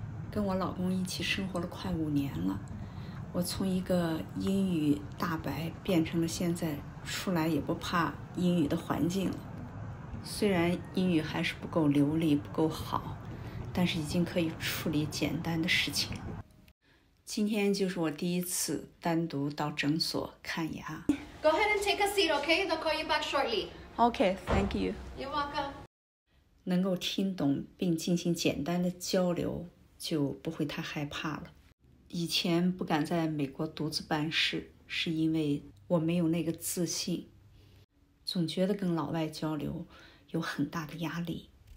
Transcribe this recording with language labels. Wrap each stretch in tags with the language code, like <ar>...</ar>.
<zh>跟我老公一起生活了快5年了，我从一个英语大白变成了现在出来也不怕英语的环境了。虽然英语还是不够流利不够好，但是已经可以处理简单的事情。今天就是我第一次单独到诊所看牙。</zh> <en>Go ahead and take a seat, okay? They'll call you back shortly. Okay, thank you. You're welcome.</en> <zh>能够听懂并进行简单的交流，就不会太害怕了。以前不敢在美国独自办事，是因为我没有那个自信，总觉得跟老外交流有很大的压力。</zh>